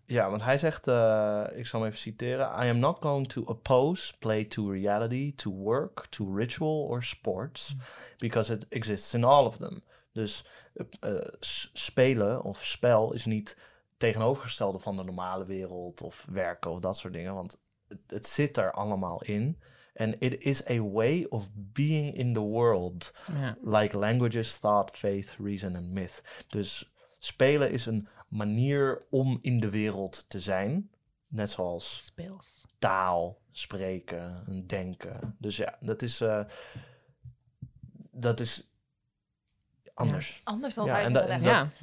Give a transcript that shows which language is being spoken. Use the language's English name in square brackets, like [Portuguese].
[Dutch] Ja, want hij zegt, ik zal hem even citeren. [English] I am not going to oppose play to reality, to work, to ritual or sports, because it exists in all of them. [Dutch] Dus spelen of spel is niet... tegenovergestelde van de normale wereld of werken of dat soort dingen, want het zit er allemaal in. [English] And it is a way of being in the world, like languages, thought, faith, reason and myth. [Dutch] Dus spelen is een manier om in de wereld te zijn, net zoals speels. Taal, spreken, denken. Dus ja, dat is anders. Ja, anders dan uitleggen.